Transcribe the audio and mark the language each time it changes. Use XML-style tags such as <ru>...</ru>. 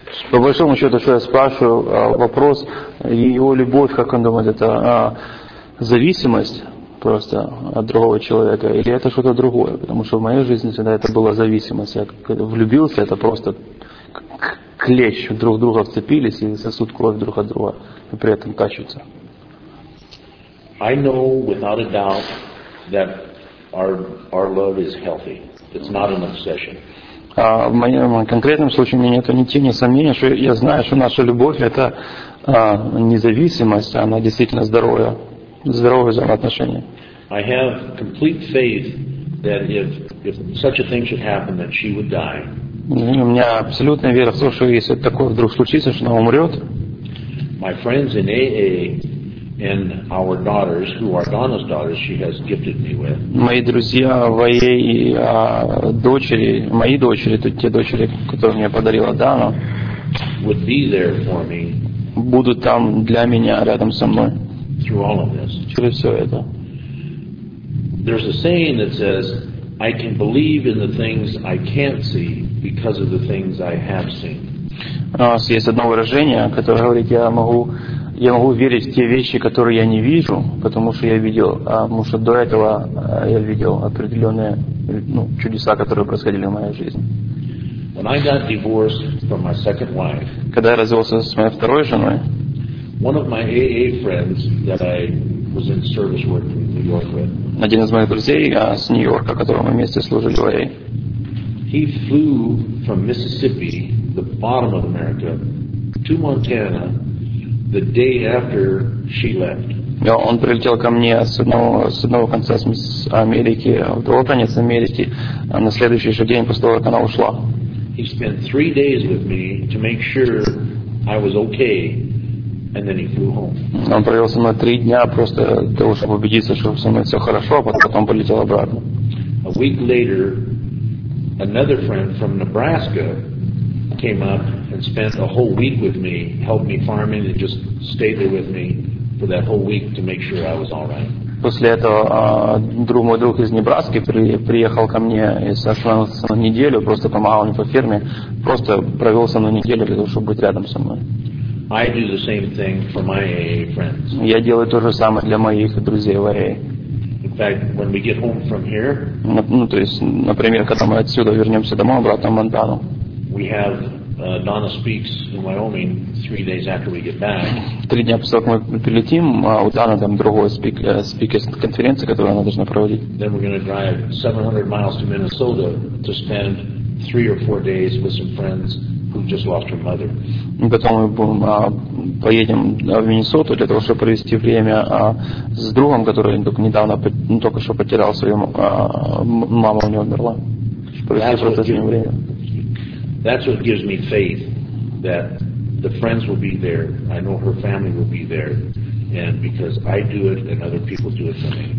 <ru>По большому счету, что я спрашиваю, вопрос, его любовь, как он думает, это зависимость просто от другого человека, или это что-то другое? Потому что в моей жизни всегда это была зависимость. Я влюбился, это просто клещ друг друга вцепились и сосут кровь друг от друга, и при этом качутся.</ru> <en>I know without a doubt that our love is healthy. It's not an obsession.</en> <ru>В моем конкретном случае у меня нет ни тени сомнения, что я знаю, что наша любовь это независимость, она действительно здоровое взаимоотношение.</ru> <en>I have complete faith that if such a thing should happen, that she would die.</en> <ru>У меня абсолютная вера в то, что если такое вдруг случится, что она умрет.</ru> <en>My friends in AA. And our daughters, who are Donna's daughters, she has gifted me with.</en> <ru>Мои друзья, мои дочери, те дочери, которые мне подарила Дана,</ru> <en>would be there for me.</en> <ru>Будут там для меня, рядом со мной.</ru> <en>Through all of this.</en> <ru>Через все это.</ru> <en>There's a saying that says, "I can believe in the things I can't see because of the things I have seen."</en> <ru>У нас есть одно выражение, которое говорит, я могу верить в те вещи, которые я не вижу, потому что я видел, потому что до этого я видел определенные чудеса, которые происходили в моей жизни.</ru> <en>When I got divorced from my second wife,</en> <ru>когда я развелся с моей второй женой,</ru> <en>one of my AA friends that I was in service with in New York with,</en> <ru>один из моих друзей с Нью-Йорка, которым мы вместе служили в AA,</ru> <en>he flew from Mississippi, the bottom of America, to Montana. The day after she left.</en> <ru>Но он прилетел ко мне с одного конца Америки, в другой конец Америки, на следующий же день после того, как она ушла.</ru> <en>He spent 3 days with me to make sure I was okay And then he flew home.</en> <ru>Он провел со мной три дня просто для того, чтобы убедиться, что со мной все хорошо, а потом полетел обратно.</ru> <en>A week later, another friend from Nebraska came up and spent a whole week with me, helped me farming, and just stayed there with me for that whole week to make sure I was all right.</en> <ru>После этого мой друг из Небраски приехал ко мне и сошелся на неделю, просто помогал мне по ферме, просто провел со мной неделю, для того, чтобы быть рядом со мной.</ru> <en>I do the same thing for my AA friends.</en> <ru>Я делаю то же самое для моих друзей в AA.</ru> <en>In fact, when we get home from here,</en> <ru>то есть, например, когда мы отсюда вернемся домой, обратно в Монтану,</ru> <en>we have Donna speaks in Wyoming 3 days after we get back.</en> <ru>3 дня после того, как мы прилетим, у Дана там другой спикер конференции, которую она должна проводить.</ru> <en>Then we're going to drive 700 miles to Minnesota to spend 3 or 4 days with some friends who just lost her mother.</en> <ru>Потом мы поедем в Миннесоту для того, чтобы провести время с другом, который недавно только что потерял свою маму, у него умерла. Провести просто с ним время.</ru> <en>That's what gives me faith that the friends will be there. I know her family will be there, and because I do it, and other people do it for me.</en>